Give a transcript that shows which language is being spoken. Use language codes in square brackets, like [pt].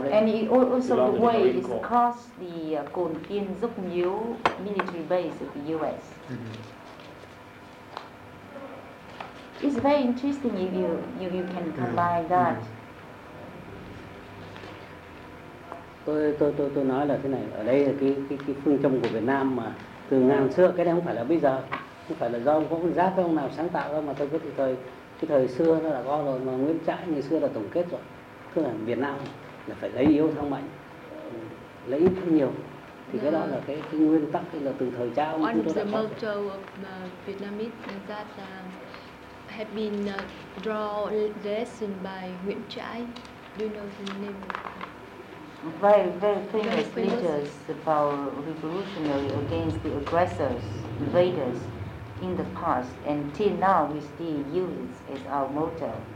[en] And also the way is across the Cồn Tiên Dốc Miếu military base of the U.S. Mm-hmm. It's very interesting if you can combine that. [vi] Tôi nói là thế này, ở đây là cái phương châm của Việt Nam mà từ ngàn xưa, cái này không phải là bây giờ, không phải là do ông Phong Giáp hay ông nào sáng tạo ra, mà tôi biết từ thời xưa nó đã có rồi, mà Nguyễn Trãi ngày xưa là tổng kết rồi. Tức là Việt Nam là phải lấy yếu thắng mạnh, lấy ít thắng nhiều, thì cái đó là cái nguyên tắc, là từ thời cha ông chúng tôi đã chọn. [en] One of the motto of Vietnamese that have been draw lesson by Nguyễn Trãi, do you know the name? Very, very famous leaders of our revolutionary against the aggressors, invaders in the past, and till now we still use it as our motto.